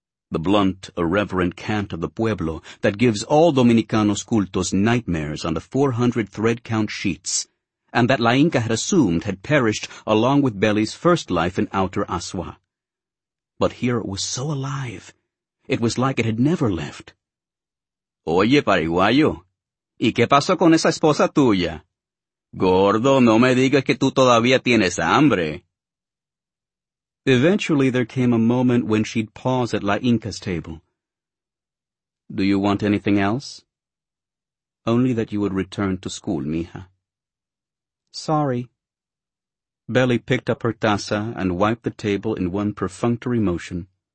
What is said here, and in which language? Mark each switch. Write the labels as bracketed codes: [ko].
[en] The blunt, irreverent cant of the pueblo that gives all Dominicanos cultos nightmares on the 400 thread-count sheets, and that La Inca had assumed had perished along with Belly's first life in Outer Asua. But here it was so alive. It was like it had never left. [es] Oye, pariguayo, ¿y qué pasó con esa esposa tuya? Gordo, no me digas que tú todavía tienes hambre. [en] Eventually there came a moment when she'd pause at La Inca's table. Do you want anything else? Only that you would return to school, mija. Sorry. Belly picked up her taza and wiped the table in one perfunctory motion.